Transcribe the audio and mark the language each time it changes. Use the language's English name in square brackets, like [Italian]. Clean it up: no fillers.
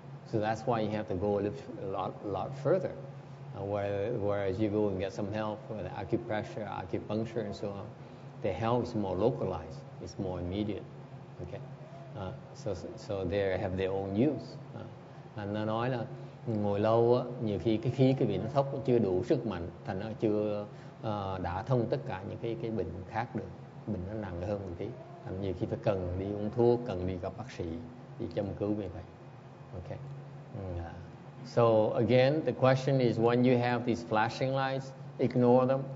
[English] So that's why you have to go a lot further. Whereas you go and get some help with acupressure, acupuncture and so on, the help is more localized, it's more immediate. Okay. So they have their own use. [Vietnamese] And nó nói là ngồi lâu á, nhiều khi cái khí cái vị nó thốc chưa đủ sức mạnh, thành nó chưa đã thông tất cả những cái bệnh khác được, bệnh nó nặng hơn một tí, thành nhiều khi phải cần đi uống thuốc, cần đi gặp bác sĩ, đi châm cứu về vậy. Okay. [English] So again, the question is, when you have these flashing lights, ignore them.